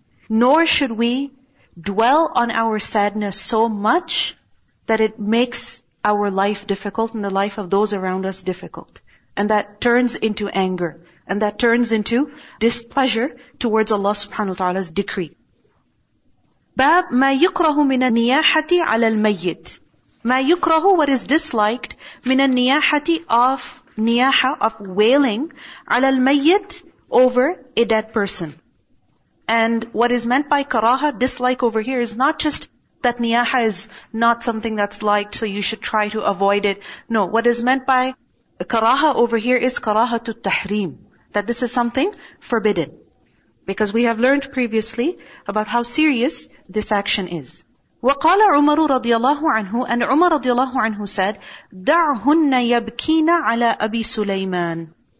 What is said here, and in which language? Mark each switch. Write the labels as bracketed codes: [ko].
[en] Nor should we dwell on our sadness so much that it makes our life difficult and the life of those around us difficult. And that turns into anger. And that turns into displeasure towards Allah subhanahu wa ta'ala's decree. [ar] باب ما يكره من النياحة على الميت. ما يكره, [en] what is disliked, [ar] من النياحة [en] of niyaha, of wailing, ala al-mayyit, over a dead person. And what is meant by karaha, dislike over here, is not just that niyaha is not something that's liked, so you should try to avoid it. No, what is meant by karaha over here is karaha tu tahrim, that this is something forbidden. Because we have learned previously about how serious this action is. [ar] وقال عمر رضي الله عنه, [en] and عمر رضي الله عنه said, [ar] دعهن يبكين على أبي سليمان.